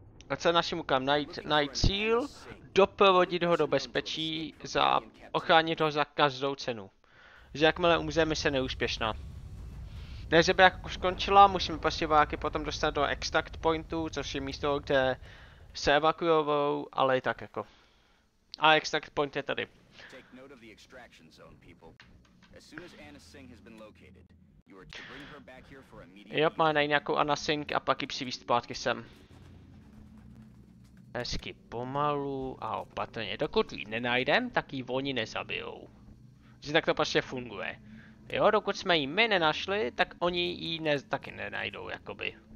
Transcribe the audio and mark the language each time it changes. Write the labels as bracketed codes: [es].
[cs] A co našim úkolem? Najít cíl, doprovodit ho do bezpečí, za ochránit ho za každou cenu. Že jakmile umře, mise neúspěšná. Ne, že by jako skončila, musíme prostě vojáky potom dostat do extract pointu, což je místo, kde se evakuujou, ale i tak jako. A extract point je tady. [en] Extraction zone people. As soon as Anna Singh has been located, you are to bring her back here for immediate. [cs] Jo, má najít nějakou Anna Singh a pak ji přivést zpátky sem. Hezky pomalu a opatrně. Dokud ji nenajdem, tak ji oni nezabijou. Že tak to prostě funguje. Jo, dokud jsme ji my nenašli, tak oni ji taky nenajdou, jakoby.